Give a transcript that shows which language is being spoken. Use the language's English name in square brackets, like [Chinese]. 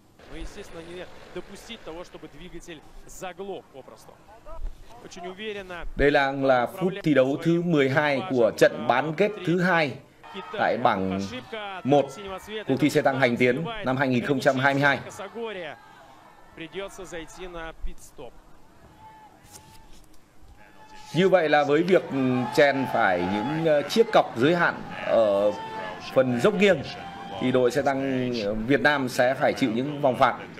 [Russian] Но, естественно, не допустить того, чтобы двигатель заглох попросту. Очень уверенно. [Vietnamese] Đây là phút thi đấu thứ 12 của trận bán kết thứ hai tại bảng 1 cuộc thi xe tăng hành tiến năm 2022. [Russian] Придётся зайти на пит-стоп. [Vietnamese] Như vậy là với việc chèn phải những chiếc cọc giới hạn ở phần dốc nghiêng, thì đội xe tăng Việt Nam sẽ phải chịu những vòng phạt.